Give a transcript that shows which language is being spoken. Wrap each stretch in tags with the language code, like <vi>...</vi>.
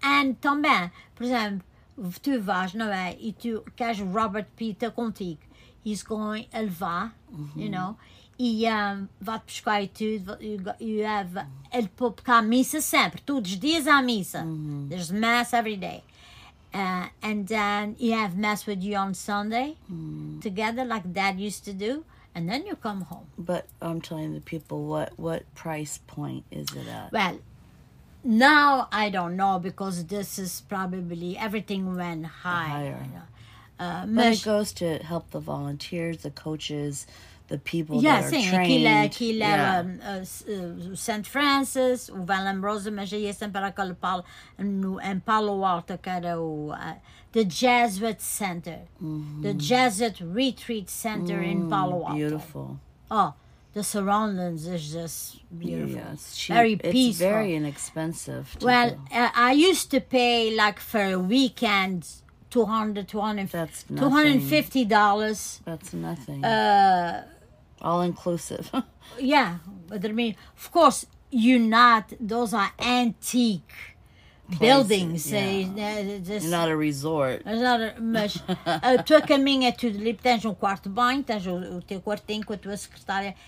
<en>And</en> <pt>também, por exemplo, tu vais, não é? E tu queres Robert Peter contigo.</pt> <en>He's going,</en> <pt>ele vai,</pt> <en>you know?</en> <pt>vá-te pescar e tudo. Ele pôs cá a missa sempre, todos os dias à missa. Mm-hmm.</pt> <en>There's mass every day. And then you have mass with you on Sunday together, like Dad used to do. And then you come home. But I'm telling the people, what price point is it at? Well, now I don't know, because this is probably, everything went higher. But it goes to help the volunteers, the coaches, the people that are trained. Yeah,</en> <pt>sim, aquilo é St. Francis, o Val Ambrosio, mas aí é sempre aquele em Palo Alto, que era o...</pt> <en>The Jesuit Center. Mm-hmm. The Jesuit Retreat Center in Palo Alto. Beautiful. Oh, the surroundings is just beautiful. Yeah, it's cheap. Very peaceful. It's very inexpensive. Well, I used to pay, like, for a weekend, $250. That's nothing. All inclusive. Yeah, but I mean, of course, you're not, those are antique buildings. You're not a resort.</en> <pt>Mas a tua caminha é tudo limpo. Tens quarto banho, tens o teu quartinho com a tua secretária.</pt>